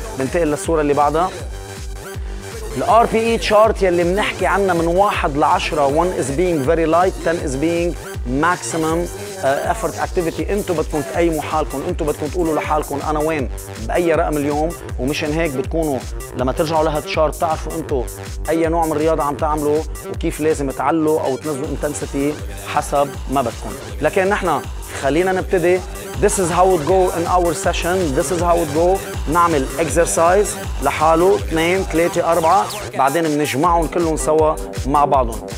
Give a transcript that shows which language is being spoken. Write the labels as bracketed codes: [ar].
[ar] ننتقل للصوره اللي بعدها، الار بي اي تشارت يلي بنحكي عنها من 1 لـ10، [en] 1 is being very light, 10 is being maximum effort activity. [ar] انتم بدكم تقيموا حالكم، انتم بدكم تقولوا لحالكم انا وين باي رقم اليوم. ومشان هيك بتكونوا لما ترجعوا لهالتشارت تعرفوا انتم اي نوع من الرياضه عم تعملوا وكيف لازم تعلوا او تنزلوا انتنسيتي حسب ما بدكم. لكن نحن خلينا نبتدي. [en] This is how it go in our session. This is how it go. [ar] نعمل exercise لحاله 2-3-4. بعدين منجمعهم كلهم سوا مع بعضهم.